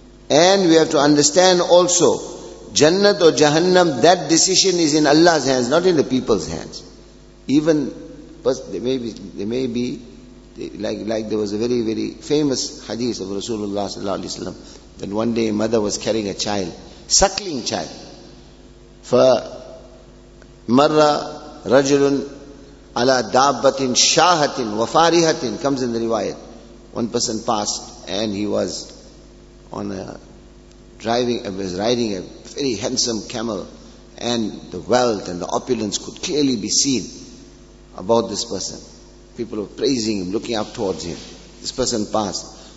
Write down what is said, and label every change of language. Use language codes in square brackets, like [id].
[en] And we have to understand also, Jannat or Jahannam, that decision is in Allah's hands, not in the people's hands. Even, there may be, like there was a very, very famous hadith of Rasulullah Sallallahu Alaihi Wasallam, that one day a mother was carrying a child, suckling child. [ar] فَمَرَّ رَجُلٌ عَلَىٰ دَابَّةٍ شَاهَةٍ وَفَارِهَةٍ, [en] comes in the riwayat. One person passed and he was on a riding a very handsome camel, and the wealth and the opulence could clearly be seen about this person. People were praising him, looking up towards him. This person passed.